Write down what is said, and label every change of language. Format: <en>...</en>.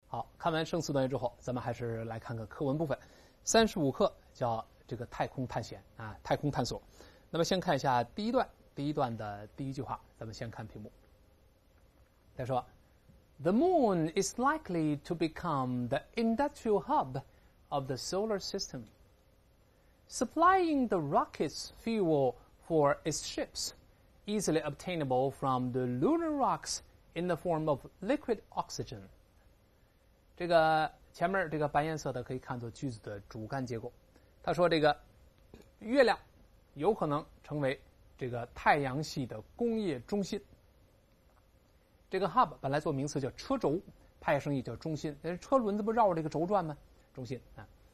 <zh>好，看完生词短语之后，咱们还是来看看课文部分。35课叫这个太空探险啊，太空探索。那么先看一下第一段，第一段的第一句话，咱们先看屏幕。他说</zh> <en>，The moon is likely to become the industrial hub of the solar system, supplying the rocket's fuel for its ships, easily obtainable from the lunar rocks in the form of liquid oxygen.</en> <zh>这个前面这个白颜色的可以看作句子的主干结构。他说这个月亮有可能成为这个太阳系的工业中心。这个 hub 本来做名词叫车轴，派生意叫中心，车轮子不绕这个轴转吗？中心啊。</zh>